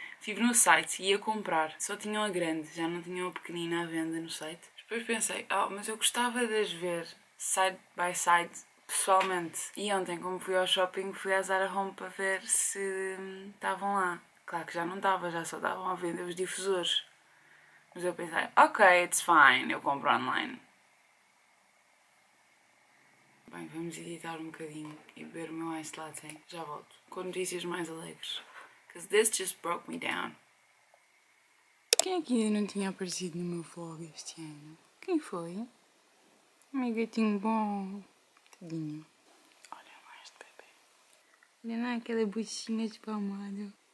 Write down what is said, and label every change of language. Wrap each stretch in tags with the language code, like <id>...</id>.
<pt>Estive no site e ia comprar. Só tinham a grande, já não tinham a pequenina à venda no site. Depois pensei, oh, mas eu gostava de as ver</pt> <en>side by side.</en> <pt>Pessoalmente. E ontem, como fui ao shopping, fui à Zara Home para ver se estavam lá. Claro que já não estava, já só estavam a vender os difusores. Mas eu pensei, ok,</pt> <en>it's fine,</en> <pt>eu compro online. Bem, vamos editar um bocadinho e beber o meu iced latte. Já volto com notícias mais alegres.</pt> <en>Because this just broke me down.</en> <pt>Quem é que ainda não tinha aparecido no meu vlog este ano? Quem foi? Meu gatinho bom. Tadinho. Olha lá este bebê. Olha lá aquela buchinha de palmado.</pt>